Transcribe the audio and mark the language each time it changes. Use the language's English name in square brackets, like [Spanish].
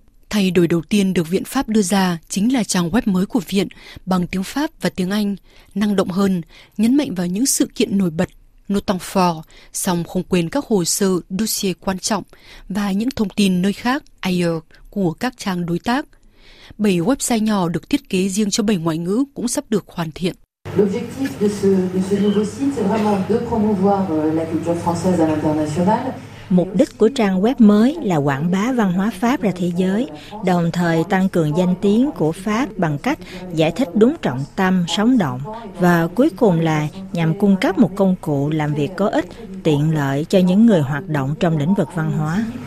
[Vietnamese] Thay đổi đầu tiên được Viện Pháp đưa ra chính là trang web mới của Viện bằng tiếng Pháp và tiếng Anh, năng động hơn, nhấn mạnh vào những sự kiện nổi bật, nốt tăng fort, song không quên các hồ sơ, dossier quan trọng và những thông tin nơi khác, ailleurs, của các trang đối tác. 7 website nhỏ được thiết kế riêng cho 7 ngoại ngữ cũng sắp được hoàn thiện. [French] L'objectif de ce nouveau site, c'est vraiment de promouvoir la culture française à l'international. [Vietnamese] Mục đích của trang web mới là quảng bá văn hóa Pháp ra thế giới, đồng thời tăng cường danh tiếng của Pháp bằng cách giải thích đúng trọng tâm, sống động, và cuối cùng là nhằm cung cấp một công cụ làm việc có ích, tiện lợi cho những người hoạt động trong lĩnh vực văn hóa.